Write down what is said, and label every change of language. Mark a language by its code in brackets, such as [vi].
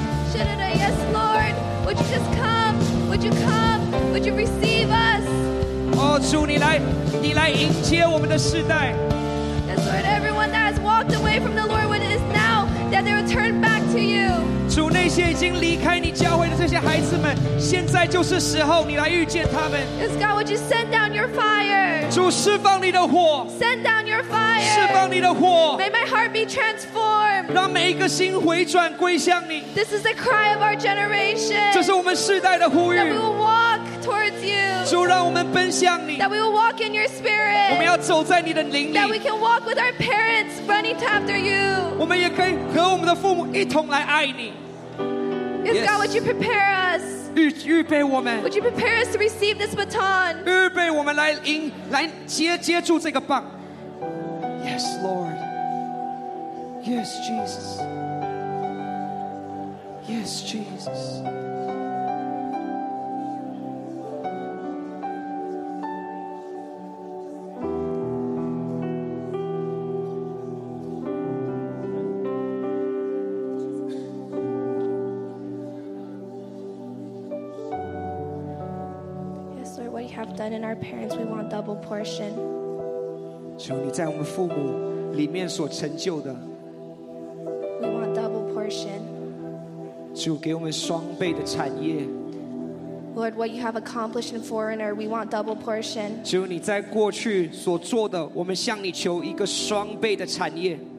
[en] Shenandoah, yes, Lord, would you just come? Would you come? Would you receive us? Oh, [zh] 主，你来迎接我们的世代。 [en] Yes, Lord, everyone that has walked away from the Lord, when it is now that they will turn back to you. [zh] 主，那些已经离开你教会的这些孩子们，现在就是时候，你来遇见他们。 [en] Yes, God, would you send down your fire? [zh] 主，释放你的火。 [en] Send down your fire. [zh] 释放你的火。 [en] May my heart be transformed. [zh] 让每一个心回转归向你。 [en] This is the cry of our generation. [zh] 这是我们世代的呼吁。 [en] That we will walk towards you. [zh] 主，让我们奔向你。 [en] That we will walk in your spirit. [zh] 我们要走在你的灵里。 [en] That we can walk with our parents running after you. [zh] 我们也可以和我们的父母一同来爱你。 [en] Yes, God, would you prepare us? [zh] 预备我们。 [en] Would you prepare us to receive this baton? [zh] 预备我们来接住这个棒。 [en] Yes, Lord. Yes, Jesus. Yes, Jesus. In our parents, we want double portion. [zh] 求你在我们父母里面所成就的。 [en] We want double portion. [zh] 主给我们双倍的产业。 [en] Lord, what you have accomplished in foreigner, we want double portion. [zh] 求你在过去所做的，我们向你求一个双倍的产业。